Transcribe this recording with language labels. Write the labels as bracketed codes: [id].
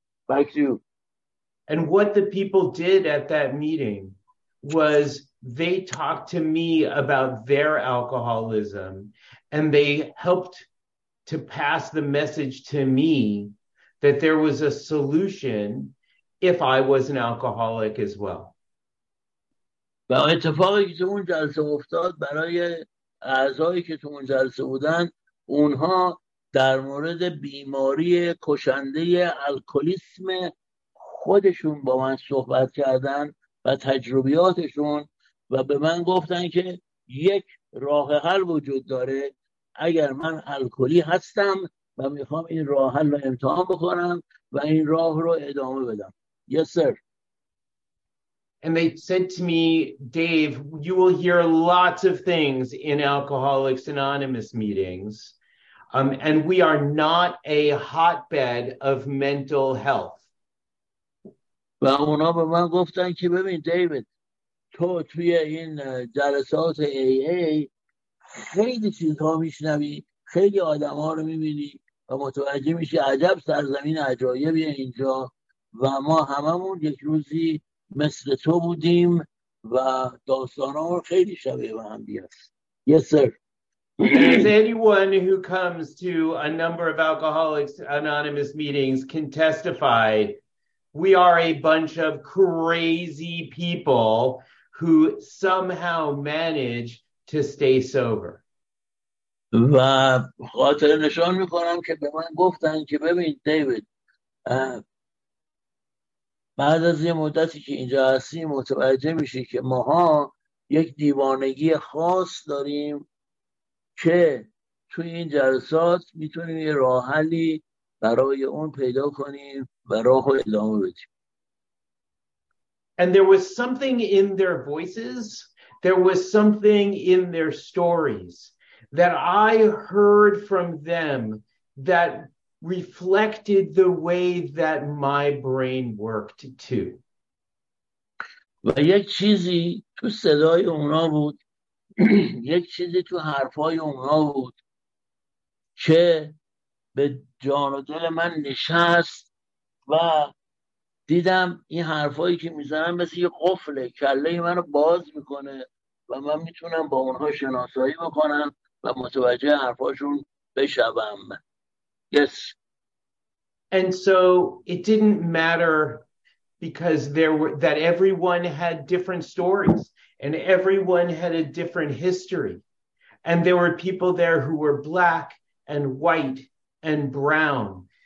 [en] Back to you. And what the people did at that meeting was they talked to me about their alcoholism and they helped to pass the message to me that there was a solution if I was an alcoholic as well. [fa] و اتفاقی که تو اون جلسه افتاد برای اعضایی که تو اون جلسه بودن، اونها در مورد بیماری کشنده الکلیسم خودشون با من صحبت کردن و تجربیاتشون و به من گفتن که یک راه حل وجود داره اگر من الکلی هستم و میخوام این راه حل رو امتحان بکنم و این راه رو ادامه بدم. [en] Yes, sir. And they said to me, Dave, you will hear lots of things in Alcoholics Anonymous meetings. And we are not a hotbed of mental health. [fa] و اونا به من گفتن که ببین دیوید تو توی این جلسات AA خیلی چیزها میشنوی، خیلی آدم ها رو میبینی و متوجه میشی عجب سرزمین عجایبیه اینجا و ما هممون یک روزی مثل تو بودیم و داستان ها خیلی شبیه به هم هست. [en] Yes, sir. As anyone who comes to a number of Alcoholics Anonymous meetings can testify, we are a bunch of crazy people who somehow manage to stay sober. [fa] و خاطر نشان می کنم که به من گفتن که ببین دیوید بعد از یه مدتی که اینجا هستی متوجه میشی که ماها یک دیوانگی خاص داریم که توی این جلسات میتونیم یه راه حلی برای اون پیدا کنیم و راهو ادامه بدیم. [en] And there was something in their voices, there was something in their stories that I heard from them that reflected the way that my brain worked too. [fa] و یک چیزی تو صدای اونا بود، یک چیزی تو حرفای اونا بود که به جان و دل من نشست و دیدم این حرفایی که میزنم مثل یه قفله، کله منو باز میکنه و من میتونم با اونها شناسایی بکنم و متوجه حرفاشون بشوم. [en] Yes. And so it didn't matter because there were that everyone had different stories. And everyone had a different history. And there were people there who were black and white and brown.